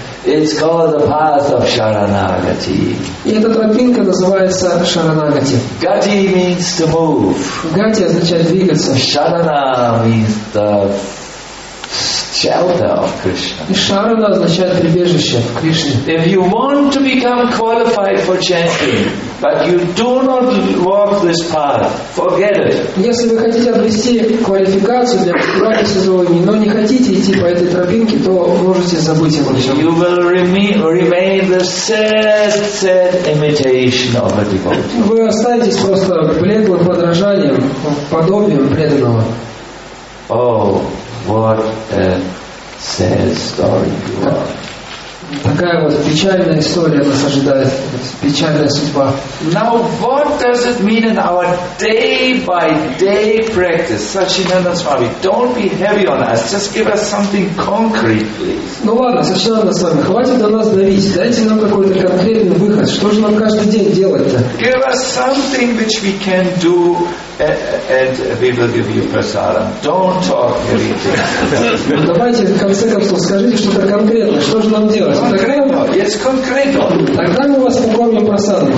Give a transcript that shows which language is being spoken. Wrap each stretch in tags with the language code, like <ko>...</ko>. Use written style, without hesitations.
<en>It's called the path of Sharanagati.</en> <ru>И эта тропинка называется Шаранагати.</ru> <en>Gati means to move.</en> <ru>Gati означает двигаться.</ru> <en>Sharana means the shelter of Krishna.</en> <ru>И Шарана означает прибежище в Кришне.</ru> <en>If you want to become qualified for chanting, but you do not walk this path, forget it.</en> <ru>Если вы хотите обрести квалификацию для практики сегодня, но не хотите идти по этой тропинке, то можете забыть обо всем.</ru> <en>You will remain the sad imitation of a devotee.</en> <ru>Вы останетесь просто бледным подражанием, подобием преданного.</ru> <en>Oh, what a sad story you are.</en> <ru>Такая вот печальная история нас ожидает, печальная судьба.</ru> <en>Now what does it mean in our day-by-day practice? Сачинанда Свами, don't be heavy on us, just give us something concrete, please.</en> <ru>Ну ладно, Сачинанда Свами, хватит о нас давить, дайте нам какой-то конкретный выход, что же нам каждый день делать-то?</ru> <en>Give us something which we can do and we will give you prasadam. Don't talk heavy things.</en> <ru>Ну давайте, в конце концов, скажите что-то конкретное, что же нам делать?</ru> <en>It's concreto.</en> <ru>Тогда мы вас покормим просадом.</ru>